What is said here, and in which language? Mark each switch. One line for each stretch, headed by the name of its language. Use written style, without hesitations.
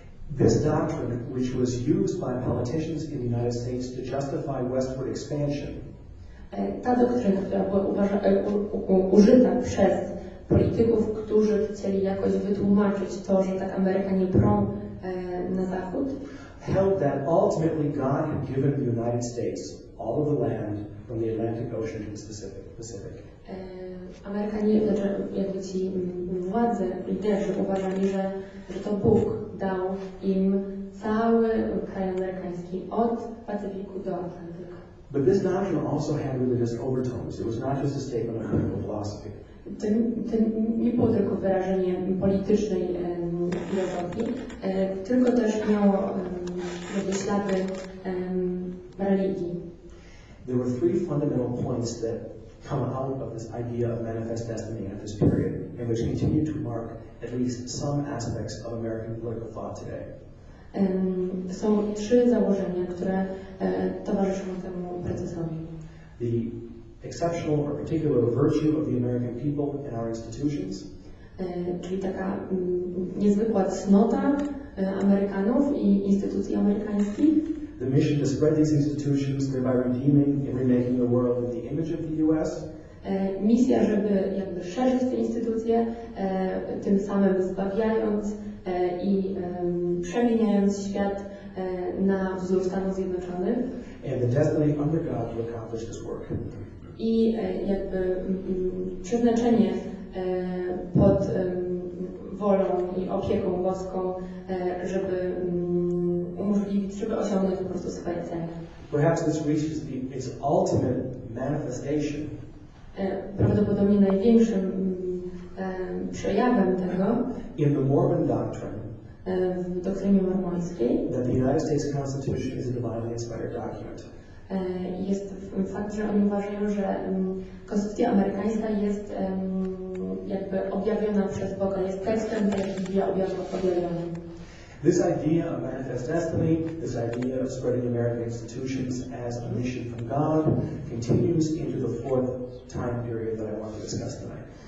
English: This doctrine, which was used by politicians in the United States to justify westward expansion.
Polish: Ta doktryna, która była użyta przez polityków, którzy chcieli jakoś wytłumaczyć to, że tak Ameryka nie prą na zachód.
English: Held that ultimately God had given the United States all of the land from the Atlantic Ocean to the Pacific.
Polish: Amerykanie, jakby ci władze, liderzy uważali, że to Bóg dał im cały kraj amerykański od Pacyfiku do Atlantyku.
English: But this doctrine also had religious overtones. It was not just a statement of political philosophy.
Polish: To nie było tylko wyrażenie politycznej filozofii, tylko też miało jakby ślady religii.
English: There were three fundamental points that come out of this idea of manifest destiny at this period, and which continue to mark at least some aspects of American political thought today.
Polish: Są trzy założenia, które towarzyszą temu procesowi.
English: The exceptional or particular virtue of the American people and our institutions.
Polish: Czyli taka niezwykła cnota Amerykanów i instytucji amerykańskich.
English: The mission to spread these institutions, thereby redeeming and remaking the world in the image of the U.S.
Polish: Misja, żeby jakby szerzyć te instytucje, tym samym zbawiając i przemieniając świat na wzór Stanów Zjednoczonych.
English: And the destiny under God to accomplish this work.
Polish: I jakby przeznaczenie pod wolą i opieką boską, żeby umożliwić, żeby osiągnąć po prostu swoje cele.
English: Perhaps this reaches its ultimate manifestation.
Polish: Prawdopodobnie największym przejawem tego
English: in the Mormon doctrine,
Polish: w doktrynie mormońskiej,
English: that the United States Constitution is a divinely inspired document.
Polish: Jest fakt, że oni uważają, że konstytucja amerykańska jest jakby objawiona przez Boga, jest tekstem, jaki Biblia objawiła objawiony.
English: This idea of manifest destiny, this idea of spreading American institutions as a mission from God, continues into the fourth time period that I want to discuss tonight.